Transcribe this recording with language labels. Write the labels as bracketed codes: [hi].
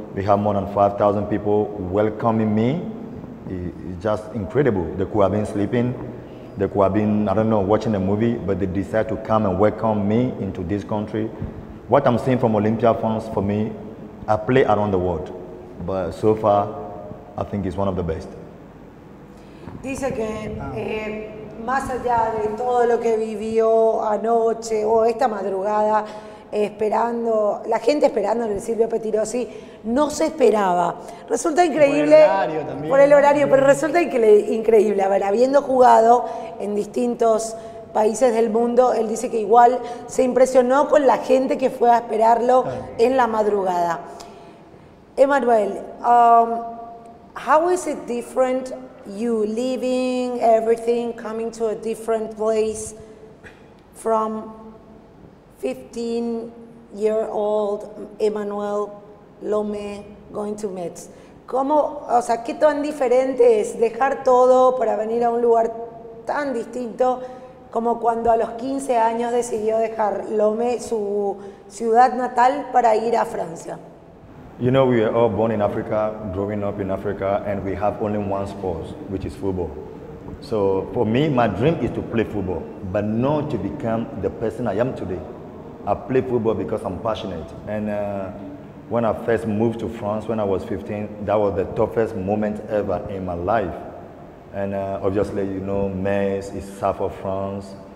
[en] We have more than 5,000 people welcoming me. It's just incredible. They could have been sleeping. They could have been, I don't know, watching a movie, but they decide to come and welcome me into this country. What I'm seeing from Olimpia fans, for me, I play around the world, but so far, I think it's one of the best. [es] Dice que más allá de todo lo que vivió anoche o esta madrugada esperando, la gente esperando en el Silvio Pettirossi, no se esperaba. Resulta increíble. Por el horario también. Por el horario, pero resulta increíble. A ver, habiendo jugado en distintos países del mundo, él dice que igual se impresionó con la gente que fue a esperarlo en la madrugada. [en] Emmanuel, how is it different, you leaving everything, coming to a different place from 15-year-old Emmanuel Lomé going to Mets? [es] ¿Cómo, o sea, qué tan diferente es dejar todo para venir a un lugar tan distinto como cuando a los 15 años decidió dejar Lomé, su ciudad natal, para ir a Francia? [en] You know, we are all born in Africa, growing up in Africa, and we have only one sport, which is football. So for me, my dream is to play football, but not to become the person I am today. I play football because I'm passionate. And when I first moved to France when I was 15, that was the toughest moment ever in my life. And obviously, you know, Metz is south of France.